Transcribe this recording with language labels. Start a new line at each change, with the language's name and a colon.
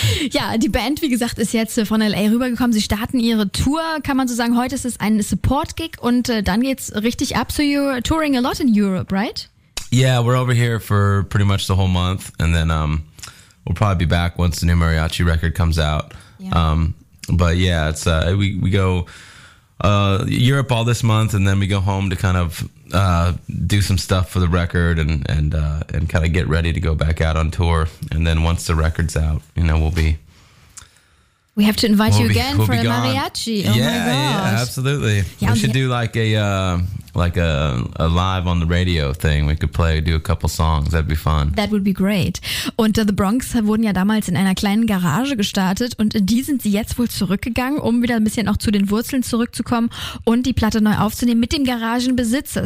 German: Ja, die Band, wie gesagt, ist jetzt von LA rübergekommen. Sie starten ihre Tour, kann man so sagen. Heute ist es ein Support-Gig und dann geht's richtig ab.
English: So you're touring a lot in Europe, right? Yeah, we're over here for pretty much the whole month. And then we'll probably be back once the new Mariachi record comes out. Yeah. But yeah, it's we go Europe all this month and then we go home to kind of do some stuff for the record and kind of get ready to go back out on tour. And then once the record's out, you know, we'll have to invite you again for a mariachi. Absolutely. Yeah, we should do like a live on the radio thing. We could do a couple songs. That'd be fun. That would be great.
German: Und The Bronx wurden ja damals in einer kleinen Garage gestartet und in die sind sie jetzt wohl zurückgegangen, um wieder ein bisschen auch zu den Wurzeln zurückzukommen und die Platte neu aufzunehmen mit dem Garagenbesitzer.